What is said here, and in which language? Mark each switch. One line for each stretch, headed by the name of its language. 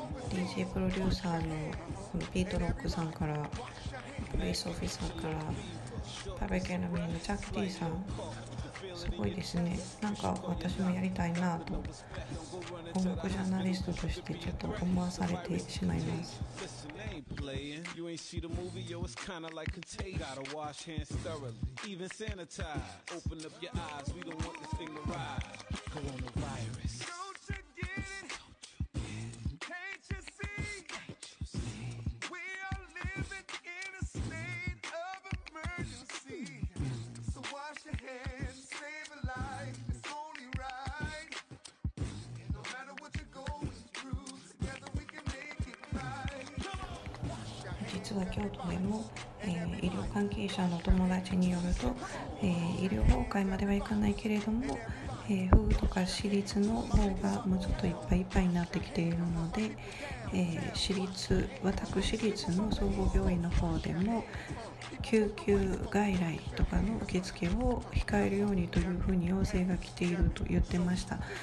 Japanese: DJ プロデューサーのピート・ロックさんから、ベースオフィサーから、パブリック・エネミーのチャック・ティーさん、すごいですね。なんか私もやりたいなと、音楽ジャーナリストとしてちょっと思わされてしまいます。
English: Playing. You ain't see the movie, yo, it's kinda like contagious. Gotta wash hands thoroughly, even sanitize. Open up your eyes, we don't want this thing to rise. Coronavirus. Don't you get it? Don't you get it? Can't you see? Can't you see? We are living in a state of emergency. So wash your hands, save a life. It's only right. And no matter what you're going through, together we can make it right.
Japanese: 実は京都でも、医療関係者の友達によると、医療崩壊まではいかないけれども、府とか私立の方がもうちょっといっぱいいっぱいになってきているので、私立の総合病院の方でも救急外来とかの受付を控えるようにというふうに要請が来ていると言ってました。